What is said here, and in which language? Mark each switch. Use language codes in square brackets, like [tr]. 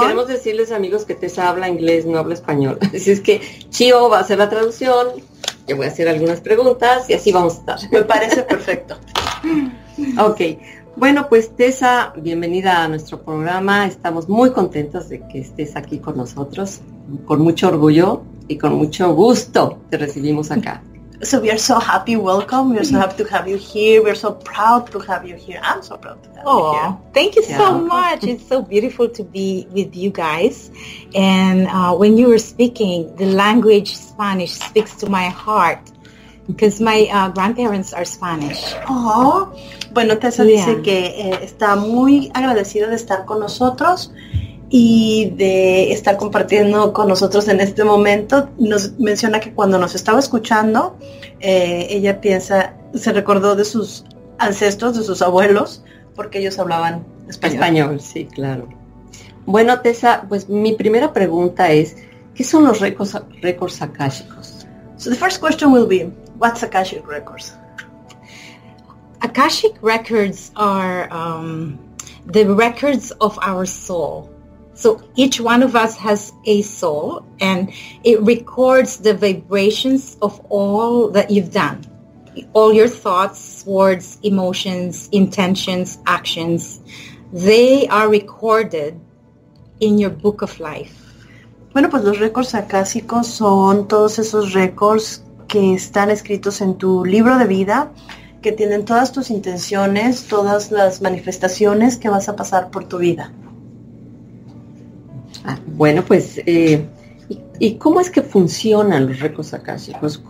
[es] Queremos decirles, amigos, que Tessa habla inglés, no habla español. Así es que Chio va a hacer la traducción, yo voy a hacer algunas preguntas y así vamos a estar. Me parece perfecto. Ok. Bueno, pues Tessa, bienvenida a nuestro programa. Estamos muy contentos de que estés aquí con nosotros. Con mucho orgullo y con mucho gusto te recibimos acá. [en] So we are so happy, welcome. We are so happy to have you here. We are so proud to have you here. I'm so proud to have you here. Thank you so much. It's so beautiful to be with you guys. And when you were speaking, the language Spanish speaks to my heart. Because my grandparents are Spanish. [es] Oh, bueno, Tessa dice que está muy agradecida de estar con nosotros y de estar compartiendo con nosotros en este momento. Nos menciona que cuando nos estaba escuchando, ella piensa, se recordó de sus ancestros, de sus abuelos, porque ellos hablaban español. Español, sí, claro. Bueno, Tessa, pues mi primera pregunta es, ¿qué son los récords akáshicos? [en] So the first question will be, what's Akashic Records? Akashic Records are the records of our soul. So each one of us has a soul, and it records the vibrations of all that you've done. All your thoughts, words, emotions, intentions, actions, they are recorded in your book of life. [es] Bueno, pues los récords akáshicos son todos esos récords que están escritos en tu libro de vida, que tienen todas tus intenciones, todas las manifestaciones que vas a pasar por tu vida. Ah, bueno, pues, ¿y cómo es que funcionan los récords akáshicos?